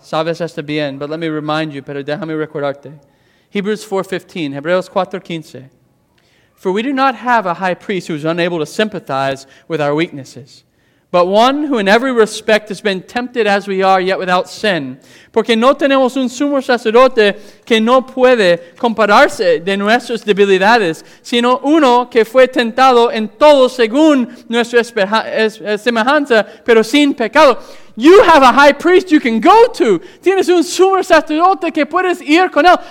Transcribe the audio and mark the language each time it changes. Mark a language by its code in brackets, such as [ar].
[es] Sabes esto bien, [en] but let me remind you, [es] pero déjame recordarte. Hebreos 4:15. [en] For we do not have a high priest who is unable to sympathize with our weaknesses, but one who in every respect has been tempted as we are, yet without sin. [es] Porque no tenemos un sumo sacerdote que no puede compararse de nuestras debilidades, sino uno que fue tentado en todo según nuestra semejanza, pero sin pecado. [en] You have a high priest you can go to. [es] Tienes un sumo sacerdote que puedes ir con él.